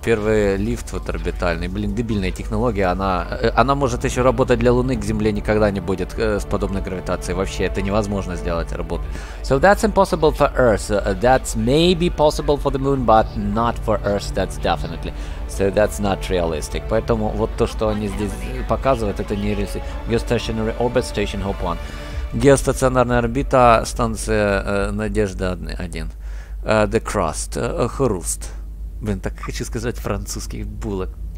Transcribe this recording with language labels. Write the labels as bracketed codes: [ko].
[ru] Первый лифт вот орбитальный. Блин, дебильная технология. Она может еще работать для Луны, к Земле никогда не будет с подобной гравитацией. Вообще, это невозможно сделать работу. [en] So that's impossible for Earth. That's maybe possible for the Moon, but not for Earth. That's definitely. So that's not realistic. [ru] Поэтому вот то, что они здесь показывают, это не реалистично. [en] Geostationary Orbit Station Hope 1. [ru] Геостационарная орбита, станция Надежда 1. [en] The Crust. Хруст. [ru] Блин, так хочу сказать французских булок.